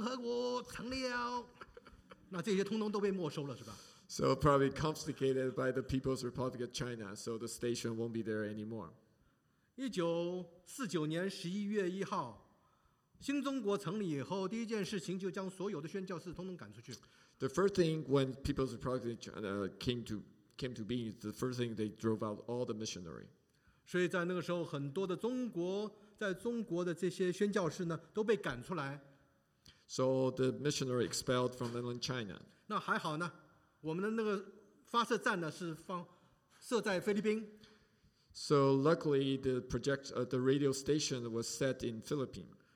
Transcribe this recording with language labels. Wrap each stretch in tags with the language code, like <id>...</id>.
<zh>中华人民共和国成立了 那这些通通都被没收了是吧?</zh> <en>So probably confiscated by the People's Republic of China, so the station won't be there anymore.</en> <zh>1949年11月1号, 新中国成立以后, 第一件事情就将所有的宣教士统统赶出去。</zh> <en>The first thing when People's Republic of China came to being, the first thing they drove out all the missionary.</en> <zh>所以在那个时候,很多的中国的这些宣教士呢,都被赶出来。</zh> <en>So the missionary expelled from mainland China.</en> <zh>那还好呢, 我们的那个发射站呢是放设在菲律宾。</zh> <en>So luckily the project, the radio station was set in Philippines.</en>